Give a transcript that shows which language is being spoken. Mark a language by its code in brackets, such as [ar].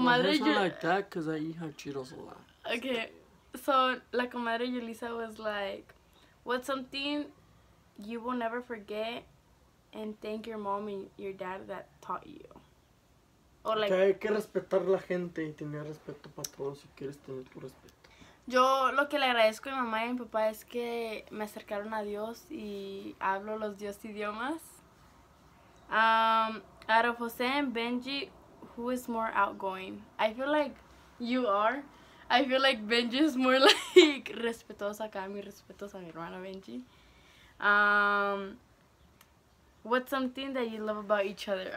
[en] My hair's not like that because I eat her Cheetos a lot. Okay, so, la comadre Yulisa was like, what's something you will never forget and thank your mom and your dad that taught you? Or like, [es] que hay que respetar la gente y tener respeto para todos si quieres tener tu respeto. Yo lo que le agradezco a mi mamá y a mi papá es que me acercaron a Dios y hablo los dos idiomas. [en] Out of Jose and Benji, who is more outgoing? I feel like you are. I feel like Benji is more like [es] respetuoso acá, mi respetuoso a mi hermano Benji. [en] What's something that you love about each other?